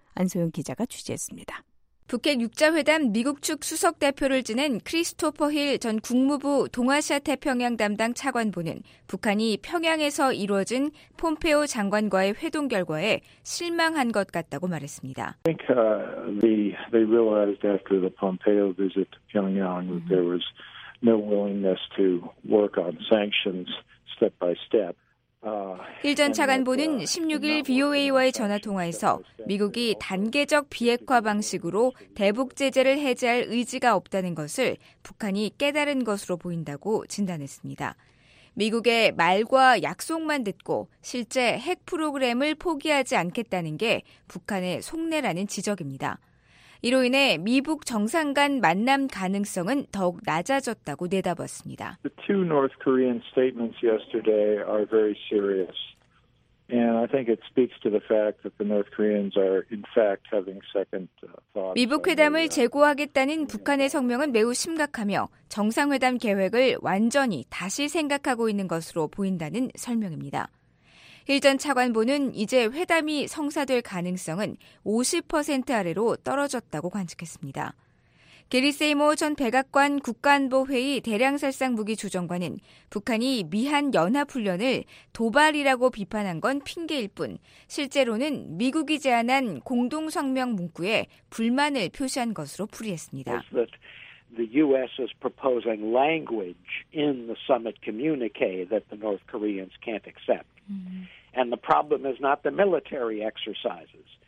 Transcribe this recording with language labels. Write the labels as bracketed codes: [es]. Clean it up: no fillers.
[ko] 안소영 기자가 취재했습니다. 북핵 6자회담 미국 측 수석대표를 지낸 크리스토퍼 힐 전 국무부 동아시아태평양 담당 차관보는 북한이 평양에서 이루어진 폼페오 장관과의 회동 결과에 실망한 것 같다고 말했습니다. [en] I think they realized after the Pompeo visit to Pyongyang that there was no willingness to work on sanctions step by step. [ko] 힐 전 차관보는 16일 VOA와의 전화통화에서 미국이 단계적 비핵화 방식으로 대북 제재를 해제할 의지가 없다는 것을 북한이 깨달은 것으로 보인다고 진단했습니다. 미국의 말과 약속만 듣고 실제 핵 프로그램을 포기하지 않겠다는 게 북한의 속내라는 지적입니다. 이로 인해 미북 정상 간 만남 가능성은 더욱 낮아졌다고 내다봤습니다. [en] The two North Korean statements yesterday are very serious. And I think it speaks to the fact that the North Koreans are in fact having second thoughts. [ko] 미북 회담을 재고하겠다는 북한의 성명은 매우 심각하며 정상회담 계획을 완전히 다시 생각하고 있는 것으로 보인다는 설명입니다. 힐 전 차관보는 이제 회담이 성사될 가능성은 50% 아래로 떨어졌다고 관측했습니다. 게리 세이머 전 백악관 국가안보회의 대량살상무기 조정관은 북한이 미한 연합훈련을 도발이라고 비판한 건 핑계일 뿐 실제로는 미국이 제안한 공동성명 문구에 불만을 표시한 것으로 풀이했습니다. [en] The U.S. is proposing language in the summit communique that the North Koreans can't accept. And the problem is not the military exercises.